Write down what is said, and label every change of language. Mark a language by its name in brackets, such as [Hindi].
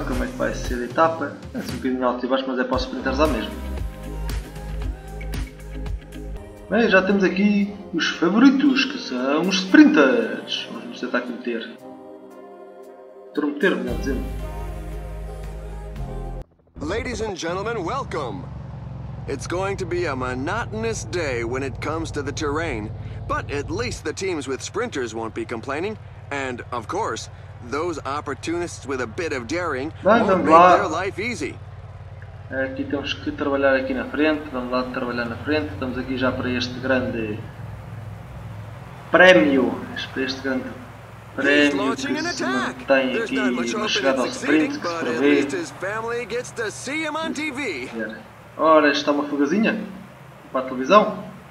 [Portuguese] Como é que vai ser a etapa? É um bocadinho alto e baixo, mas é para os sprinters lá mesmo. Bem, já temos aqui os favoritos, que são os sprinters. Vamos tentar aqui meter. Trometer, melhor dizendo. [English] Ladies and gentlemen, welcome! It's going to be a monotonous day when it comes to the terrain. But at least the teams with sprinters won't be complaining. And, of course, those opportunists with a bit of daring won't make their life easy. [Portuguese] Aqui temos que trabalhar aqui na frente. Vamos lá trabalhar na frente. Estamos aqui já para este grande prémio. Para este grande prémio que se mantém aqui na chegada ao sprint, que se prevê. Vamos ver. Vamos ver. Vamos ver. Ora, esta é uma fugazinha para a televisão.